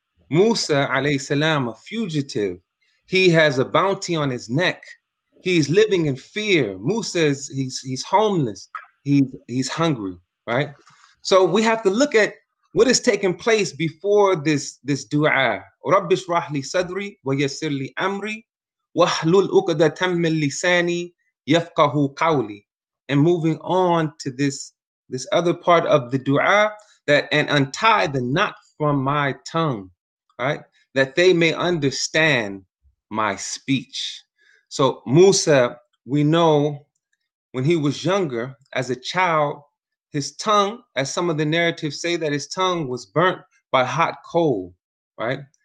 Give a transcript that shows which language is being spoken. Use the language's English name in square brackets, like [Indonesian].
[English] Musa, alayhi salam, a fugitive. He has a bounty on his neck. He's living in fear. Musa, he's homeless. He's hungry, right? So we have to look at what is taking place before this dua? [Arabic] رَبِّ اشْرَحْ لِي صَدْرِي وَيَسِّرْ لِي أَمْرِي وَحْلُلْ عُقَدَةً مِّن لِّسَانِي يَفْقَهُوا قَوْلِي. [English] And moving on to this other part of the dua, that and untie the knot from my tongue, right? That they may understand my speech. So Musa, we know when he was younger, as a child, his tongue, as some of the narratives say, that his tongue was burnt by hot coal, right?